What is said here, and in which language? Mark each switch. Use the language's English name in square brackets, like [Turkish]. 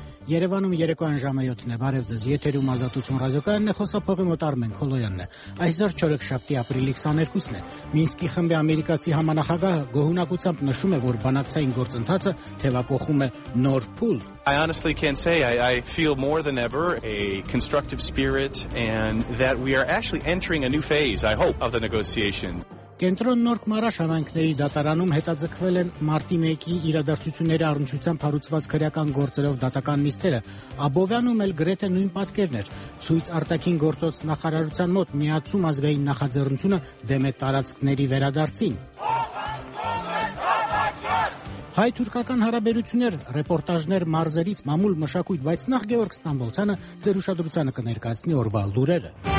[Armenian] Երևանում երեկո անժամը 7-ն է, բարև ձեզ, եթերում ազատություն ռադիոկայանն է, խոսափողի մոտ Արմեն Քոլոյանն է, այսօր չորեքշաբթի ապրիլի 22-ն է, Մինսկի խմբի ամերիկացի համանախագահը գոհունակությամբ նշում է, որ բանակցային գործընթացը թևակոխում է նոր փուլ. [English] I honestly can say I feel more than ever a constructive spirit and that we are actually entering a new phase, I hope, of the negotiation. [Armenian] Կենտրոն նոր կմարաշ հավանքների դատարանում հետաձգվել են մարտի 1-ի իրադարձությունների առնչությամբ հարուցված քրեական գործերով դատական նիստերը։ Աբովյանում էլ գրեթե նույն պատկերն էր։ Ցույց արտաքին գործոց նախարարության մոտ միացում ազգային նախաձեռնությունը դեմ է տարածքների վերադարձին։ Հայ-թուրքական հարաբերություններ, ռեպորտաժներ մարզերից, մամուլ մշակույթ, բայց նախ Գևորգ Ստամբոլցյանը ձեր ուշադրությանը կներկայացնի օրվա լուրերը։